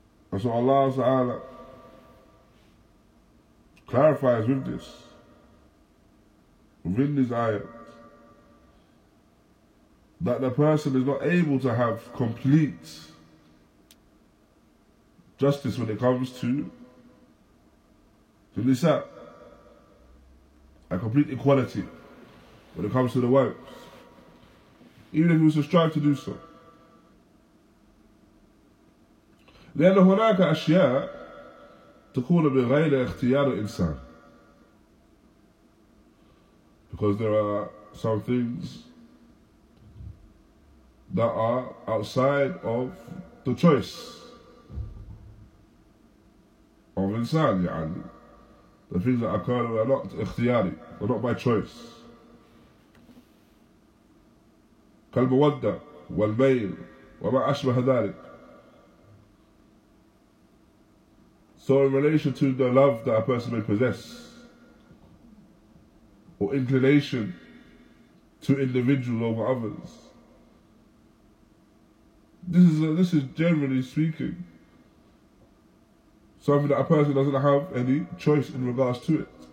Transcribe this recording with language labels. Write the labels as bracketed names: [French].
[English] And so Allah Ta'ala clarifies with this, within this ayat, that the person is not able to have complete justice when it comes to the nisa, a complete equality when it comes to the wives, even if he was to strive to do so. [Arabic] لأن هناك أشياء تكون بغير اختيار الإنسان. [English] Because there are some things that are outside of the choice of insan, يعني. The things that occur are not اختياري, are not by choice. [Arabic] كالمودة والميل وما أشبه ذلك. [English] So in relation to the love that a person may possess, or inclination to individuals over others, this is generally speaking something that a person doesn't have any choice in regards to it.